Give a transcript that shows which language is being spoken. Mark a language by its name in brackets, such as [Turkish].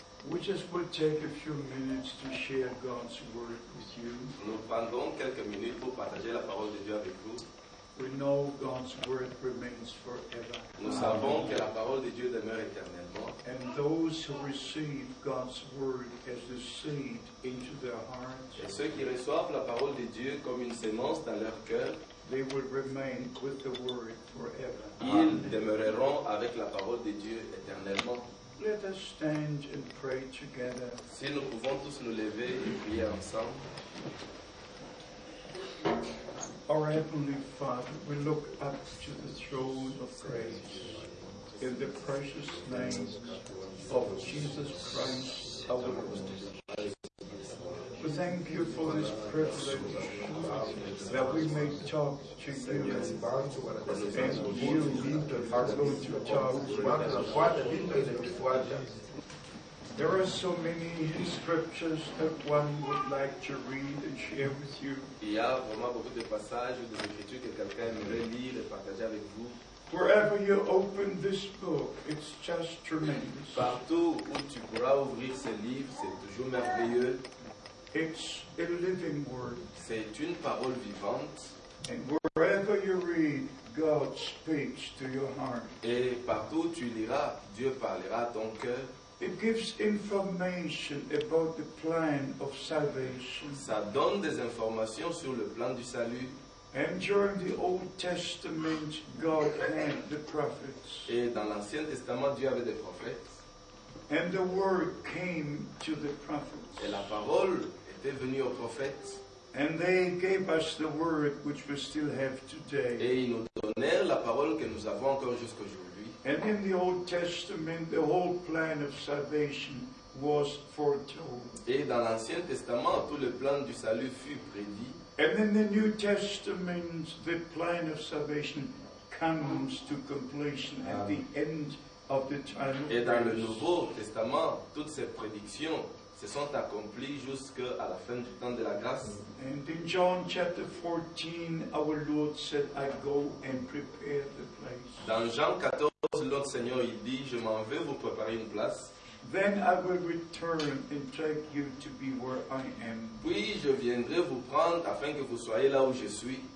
[English] We just will take a few minutes to share God's word with you. [French] Nous prendrons quelques minutes pour partager la parole de Dieu avec vous. [English] We know God's word remains forever. [French] Nous savons que la parole de Dieu demeure éternellement. [English] And those who receive God's word as a seed into their hearts. [French] Et ceux qui reçoivent la parole de Dieu comme une semence dans leur cœur. [English] They will remain with the word forever. [French] Ils demeureront avec la parole de Dieu éternellement. [English] Let us stand and pray together. [French] Si nous pouvons tous nous lever et prier ensemble. [English] Our Heavenly Father, we look up to the throne of grace in the precious name of Jesus Christ, our Lord. We thank you for this privilege that we may talk to you and you are going to talk. There are so many scriptures that one would like to read and share with you. [French] Il y a vraiment beaucoup de passages des écritures que quelqu'un aimerait lire et partager avec vous. [English] Wherever you open this book, it's just tremendous. [French] Partout où tu pourras ouvrir ce livre, c'est toujours merveilleux. [English] It's a living word. [French] C'est une parole vivante. [English] And wherever you read, God speaks to your heart. [French] Et partout tu liras, Dieu parlera à ton cœur. [English] It gives information about the plan of salvation. [French] Ça donne des informations sur le plan du salut. [English] And during the Old Testament, God had the prophets. [French] Et dans l'Ancien Testament, Dieu avait des prophètes. [English] And the word came to the prophets. [French] Et la parole était venue aux prophètes. [English] And they gave us the word which we still have today. [French] Et ils nous donnèrent la parole que nous avons encore jusqu'aujourd'hui. [English] And in the Old Testament, the whole plan of salvation was foretold. [French] Et dans l'Ancien Testament, tout le plan du salut fut prédit. [English] And in the New Testament, the plan of salvation comes to completion at the end of the time of [French] grace. Et dans le Nouveau Testament, toutes ces prédictions se sont accomplies jusqu'à la fin du temps de la grâce. [English] And in John chapter 14, our Lord said, I go and prepare the place. [French] Dans Jean 14, l'autre Seigneur, il dit, je m'en vais vous préparer une place. [English] Then I will return and take you to be where I am. [French] Puis je viendrai vous prendre afin que vous soyez là où je suis.